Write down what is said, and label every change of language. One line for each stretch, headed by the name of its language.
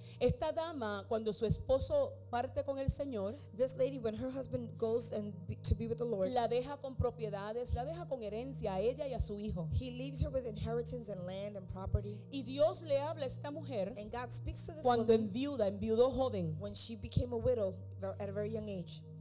Spanish: esta dama cuando su esposo parte con el Señor,
English: this lady when her husband goes and be, to be with the Lord,
Spanish: la deja con propiedades, la deja con herencia a ella y a su hijo.
English: He leaves her with inheritance and land and property.
Spanish: Y Dios le habla a esta mujer,
English: and God speaks to this
Spanish: cuando
English: woman,
Spanish: enviudó joven,
English: when she became a widow at a very young age.